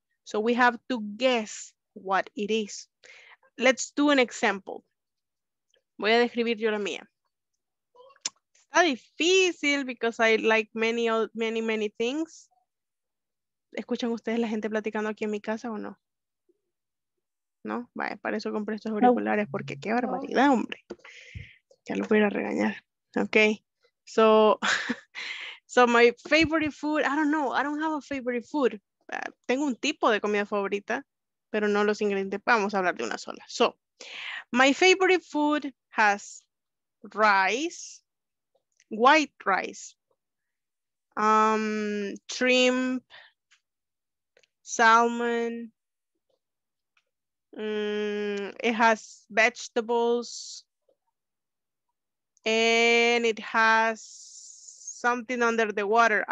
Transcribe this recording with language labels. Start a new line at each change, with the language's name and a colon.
English: So we have to guess what it is. Let's do an example.
Spanish: Voy a describir yo la mía. Está difícil
English: because I like many, many, many things.
Spanish: ¿Escuchan ustedes la gente platicando aquí en mi casa o no? ¿No? Vale, para eso compré estos auriculares porque qué barbaridad, hombre. Ya lo voy a regañar. Ok.
English: So, so my favorite food, I don't know, I don't have a favorite food.
Spanish: Tengo un tipo de comida favorita, pero no los ingredientes. Vamos a hablar de una sola.
English: So, my favorite food has rice, white rice, shrimp, salmon, it has vegetables, and it has something under the water.